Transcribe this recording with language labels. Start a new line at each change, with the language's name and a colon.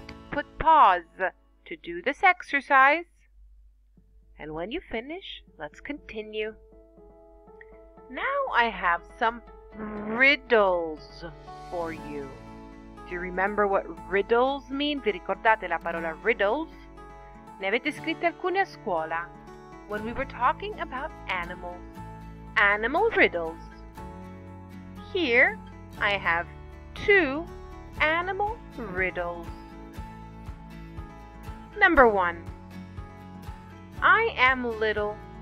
English: Put pause to do this exercise. And when you finish, let's continue. Now I have some riddles for you. Do you remember what riddles mean?
Italian: Vi ricordate la parola riddles? Ne avete scritte alcune a scuola?
English: When we were talking about animals. Animal riddles. Here I have 2 animal riddles. Number 1. I am little.